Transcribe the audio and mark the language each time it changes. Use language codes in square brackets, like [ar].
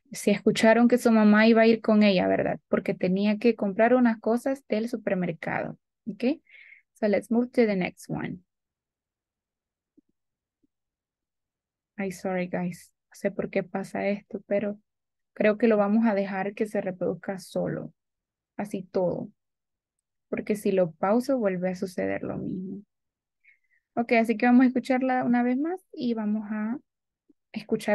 [es] Si escucharon que su mamá iba a ir con ella, ¿verdad? Porque tenía que comprar unas cosas del supermercado. [en] Okay, so let's move to the next one. I'm sorry, guys. [es] No sé por qué pasa esto, pero creo que lo vamos a dejar que se reproduzca solo. Así todo. Porque si lo pauso, vuelve a suceder lo mismo. Okay, así que vamos a escucharla una vez más y vamos a escuchar.